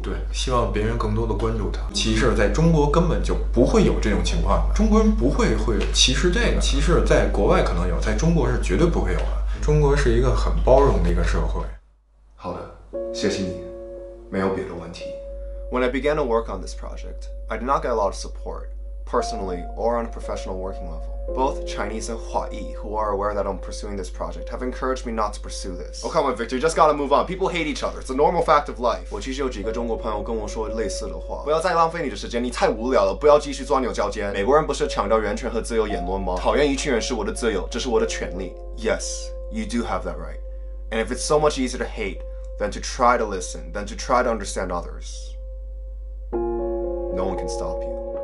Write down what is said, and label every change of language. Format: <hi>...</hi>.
<zh>对希望别人更多的关注他歧视在中国根本就不会有这种情况中国人不会会歧视这个歧视在国外可能有在中国是绝对不会有的中国是一个很包容的一个社会好的谢谢你没有别的问题</zh> <en>When I began to work on this project I did not get a lot of support personally or on a professional working level Both Chinese and Huayi, who are aware that I'm pursuing this project, have encouraged me not to pursue this. Oh, come on, Victor, you just gotta move on. People hate each other. It's a normal fact of life.</en> <zh>我其实有几个中国朋友跟我说类似的话。不要再浪费你的时间，你太无聊了。不要继续钻牛角尖。美国人不是强调人权和自由言论吗？讨厌一群人是我的自由，这是我的权利。</zh> <en>Yes, you do have that right. And if it's so much easier to hate than to try to listen, than to try to understand others, no one can stop you.</en>